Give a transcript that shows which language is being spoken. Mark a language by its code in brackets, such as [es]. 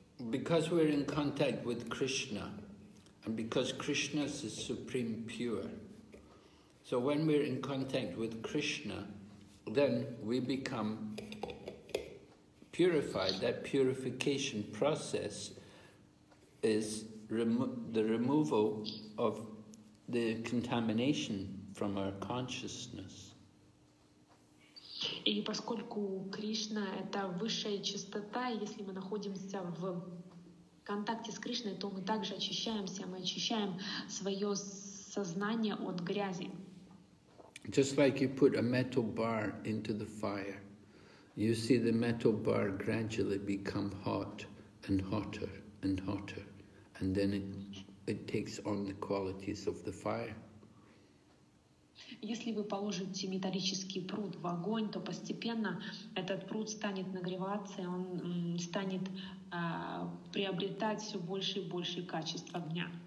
[en] Because we're in contact with Krishna, and because Krishna is the supreme pure, so when we're in contact with Krishna, then we become purified. That purification process is the removal of the contamination from our consciousness. [ru] И поскольку Кришна — это высшая чистота, если мы находимся в контакте с Кришной, то мы также очищаемся, мы очищаем свое сознание от грязи. [en] Just like you put a metal bar into the fire, you see the metal bar gradually become hot and hotter and hotter, and then it takes on the qualities of the fire. [ru] Если вы положите металлический пруд в огонь, то постепенно этот пруд станет нагреваться, и он станет приобретать все больше и больше качества огня.